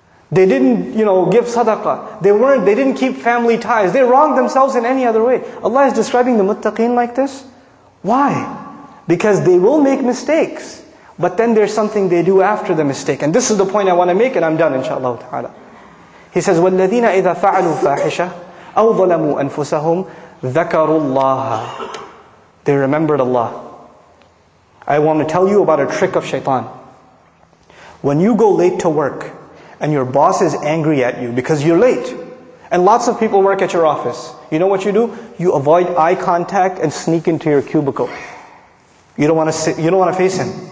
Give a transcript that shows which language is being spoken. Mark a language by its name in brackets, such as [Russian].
[English] They didn't, you know, give sadaqah. They didn't keep family ties. They wronged themselves in any other way. Allah is describing the muttaqeen like this. Why? Because they will make mistakes. But then there's something they do after the mistake. And this is the point I want to make, and I'm done, inshaAllah ta'ala. He says, [Arabic] وَالَّذِينَ إِذَا فَعَلُوا فَاحِشَةً أَوْ ظَلَمُوا أَنفُسَهُمْ ذَكَرُوا اللَّهَ [English] They remembered Allah. I want to tell you about a trick of shaitan. When you go late to work, and your boss is angry at you because you're late, and lots of people work at your office, you know what you do? You avoid eye contact and sneak into your cubicle. You don't want to sit, you don't want to face him.